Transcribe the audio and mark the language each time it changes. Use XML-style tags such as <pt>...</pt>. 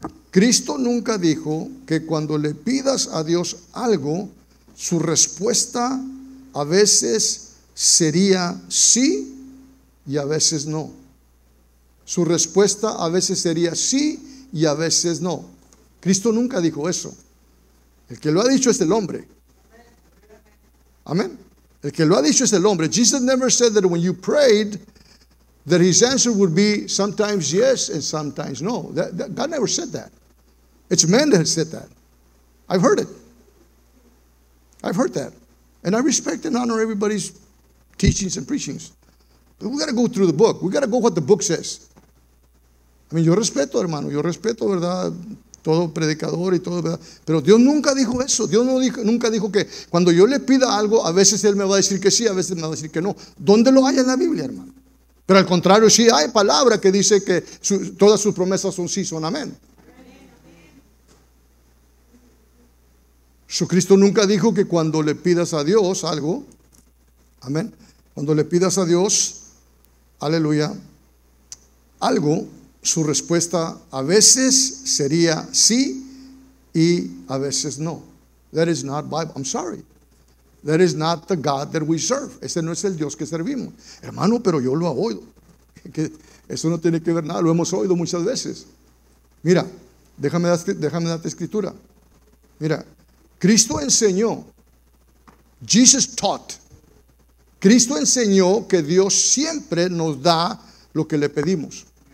<es>Cristo nunca dijo que cuando le pidas a Dios algo, su respuesta a veces sería sí y a veces no. Su respuesta a veces sería sí y a veces no. Cristo nunca dijo eso. El que lo ha dicho es el hombre. Amén. El que lo ha dicho es el hombre.</es> <en>Jesus never said that when you prayed, that his answer would be sometimes yes and sometimes no. God never said that. It's man that has said that. I've heard it. I've heard that. And I respect and honor everybody's teachings and preachings. But we got to go through the book. We got to go what the book says. I mean,</en> <es>yo respeto, hermano. Yo respeto, ¿verdad? Todo predicador y todo, ¿verdad? Pero Dios nunca dijo eso. Dios no dijo, nunca dijo que cuando yo le pida algo, a veces Él me va a decir que sí, a veces me va a decir que no. ¿Dónde lo hay en la Biblia, hermano? Pero al contrario, sí hay palabra que dice que todas sus promesas son sí, son amén. Jesucristo nunca dijo que cuando le pidas a Dios algo, amén, cuando le pidas a Dios, aleluya, algo, su respuesta a veces sería sí y a veces no.</es> <en>That is not Bible, I'm sorry. That is not the God that we serve.</en> <es>Ese no es el Dios que servimos. Hermano, pero yo lo he oído. Eso no tiene que ver nada, lo hemos oído muchas veces. Mira, déjame darte escritura. Mira, Cristo enseñó,</es> <en>Jesus taught,</en> <es>Cristo enseñó que Dios siempre nos da lo que le pedimos.</es>